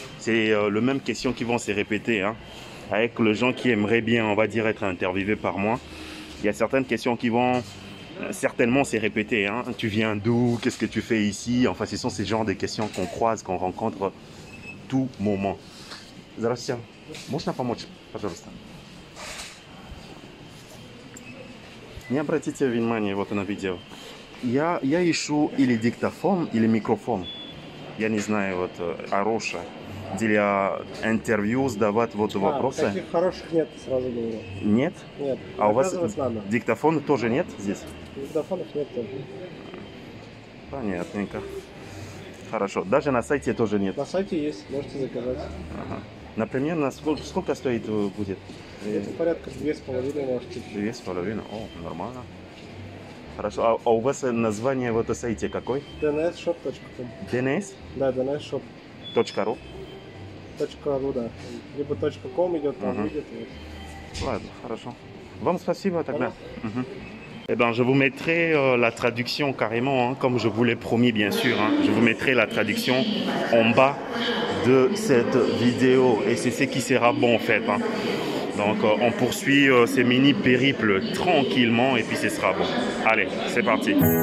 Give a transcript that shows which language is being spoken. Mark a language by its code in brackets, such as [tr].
[fr] C'est le même question qui vont se répéter, hein, avec le gens qui aimeraient bien, on va dire, être interviewé par moi. Il y a certaines questions qui vont certainement se répéter. Hein. Tu viens d'où? Qu'est-ce que tu fais ici? Enfin, ce sont ces genres de questions qu'on croise, qu'on rencontre tout moment. [ru] Zarassia, можно помочь, пожалуйста? Не обратите внимание вот на видео. Я ищу или диктофон, или микрофон. Я не знаю, вот, хороший. Для интервью задавать вот вопросы. Таких хороших нет, сразу говорю. Нет? Нет. А у вас надо. Диктофон тоже нет здесь? Диктофонов нет тоже. Понятненько. Хорошо. Даже на сайте тоже нет? На сайте есть, можете заказать. Ага. Например, на сколько стоит будет? Это порядка 2,5, может быть. 2,5, о, нормально. Хорошо, а у вас название в этом сайте какой? dnsshop.com. DNS? Да, dnsshop. .ru? .ru, да. Либо .com идет, там видит. Вот. Ладно, хорошо. Вам спасибо тогда. [fr] Eh ben, je vous mettrai la traduction carrément, hein, comme je vous l'ai promis, bien sûr. Hein, je vous mettrai la traduction en bas de cette vidéo. Et c'est ce qui sera bon, en fait. Hein. Donc, on poursuit ces mini-périples tranquillement et puis ce sera bon. Allez, c'est parti.